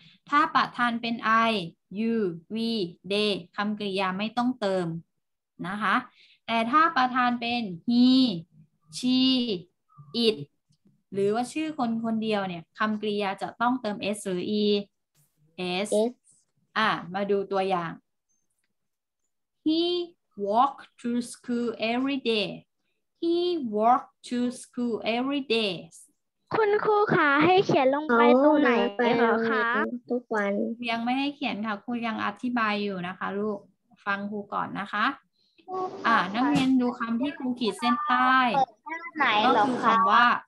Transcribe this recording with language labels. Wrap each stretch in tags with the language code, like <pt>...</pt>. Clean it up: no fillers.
<th>ถ้าประธานเป็น I you we they คำกริยาไม่ต้องเติมนะคะแต่ถ้าประธานเป็น heshe it หรือว่าชื่อคนคนเดียวเนี่ยคำกริยาจะต้องเติม s หรือ e</th> <en>S</en> <th>มาดูตัวอย่าง</th> <en>He walked to school every day. He walked to school every day.</en> <th>คุณครูคะให้เขียนลงไปตรงไหนไปคะ ทุกวัน ยังไม่ให้เขียนค่ะครูยังอธิบายอยู่นะคะลูกฟังครูก่อนนะคะนักเรียนดูคำที่ครูขีดเส้นใต้ ก็ คือ คำว่า</th>